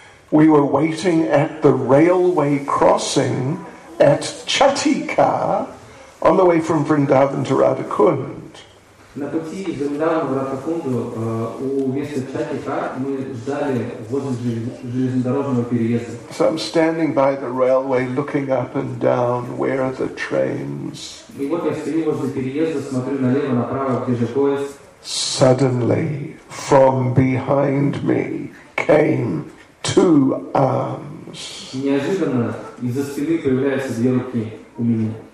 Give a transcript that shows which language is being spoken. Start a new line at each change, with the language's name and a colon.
English: We were waiting at the railway crossing at Chatika on the way from Vrindavan to Radhakund.
Russian: На пути из Вриндавана в Радхакунду у места Чатика мы ждали возле железнодорожного переезда.
English: So I'm standing by the railway, looking up and down. Where are the trains?
Russian: И вот я стою возле переезда, смотрю налево, направо, где же поезд.
English: Suddenly, from behind me came two arms.
Russian: Неожиданно из-за спины появляются две руки у меня.